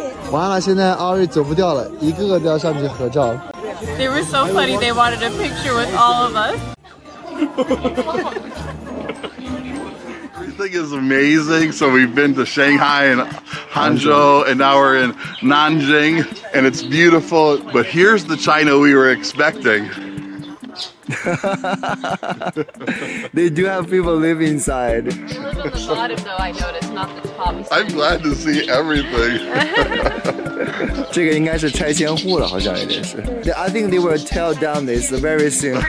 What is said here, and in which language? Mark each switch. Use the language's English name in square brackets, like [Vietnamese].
[Chinese] 完了，现在阿瑞走不掉了，一个个都要上去合照。 [English] They were so funny. They wanted a picture with all of us. You think it's amazing? So we've been to Shanghai and Hangzhou, and now we're in Nanjing, and it's beautiful. But here's the China we were expecting. They do have people live inside. They live on the bottom, though. I noticed, not the top. I'm glad to see everything. [Chinese] 这个应该是拆迁户了，好像有点是。 [English] I think they will tell down this very soon.